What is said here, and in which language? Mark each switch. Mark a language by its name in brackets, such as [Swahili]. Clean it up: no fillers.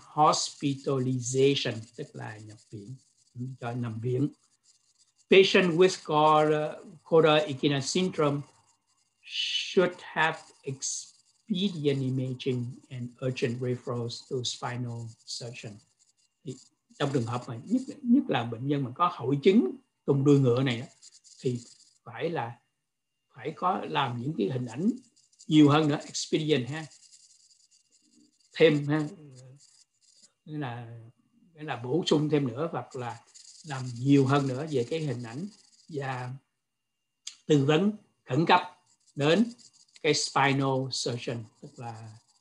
[Vietnamese] Hospitalization tức là nhập viện, cho nằm viện. [English] Patient with Cotter Ikena syndrome should have expedient imaging and urgent referrals to spinal surgeon. [Vietnamese] Trong trường hợp mà nhất là bệnh nhân mà có hội chứng tùng đuôi ngựa này thì phải có làm những cái hình ảnh nhiều hơn nữa, expedient ha, thêm ha, nghĩa là bổ sung thêm nữa, hoặc là làm nhiều hơn nữa về cái hình ảnh và tư vấn khẩn cấp đến cái spinal surgeon, tức là